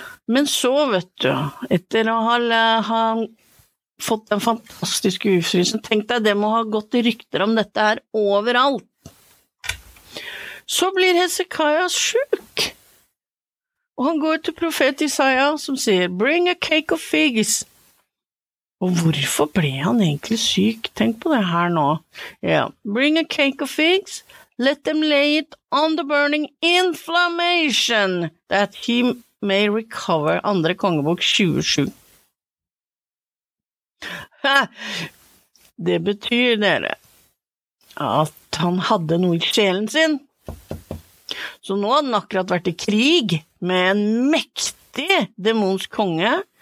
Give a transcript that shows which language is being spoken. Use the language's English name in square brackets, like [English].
[Norwegian] Men så vet du, etter å ha fått den fantastiske utfrielsen, tenk deg det må ha gått I rykter om dette her overalt. Så blir Hesekia syk. Og han går til profet Isaiah som sier, [English] bring a cake of figs. [Norwegian] Og hvorfor ble han egentlig syk? Tenk på det her nå. Yeah. [English] Bring a cake of figs, let them lay it on the burning inflammation, that he may recover, [Norwegian] andre kongebok 27. Det betyr dere at han hadde noe I sjelen sin. Så nå hadde han akkurat vært I krig med en mektig demonsk konge.